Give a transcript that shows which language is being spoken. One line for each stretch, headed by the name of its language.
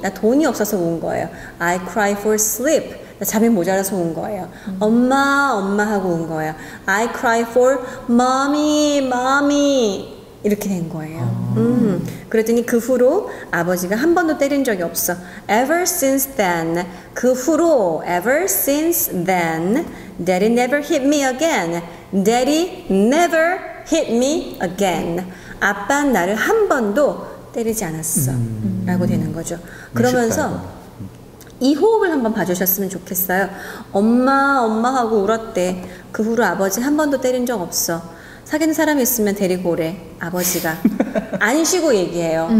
Korean: 나 돈이 없어서 운 거예요.
English: I cry for sleep.
Korean: 나 잠이 모자라서 운 거예요. 엄마 하고 운 거예요.
English: I cry for mommy.
Korean: 이렇게 된 거예요. 그랬더니 그 후로 아버지가 한 번도 때린 적이 없어.
English: Ever since then,
Korean: 그 후로,
English: ever since then, Daddy never hit me again. Daddy never hit me again.
Korean: 아빠는 나를 한 번도 때리지 않았어. 라고 되는 거죠. 그러면서 이 호흡을 한번 봐주셨으면 좋겠어요. 엄마 하고 울었대. 그 후로 아버지 한 번도 때린 적 없어. 사귀는 사람이 있으면 데리고 오래. 아버지가 안 쉬고 얘기해요.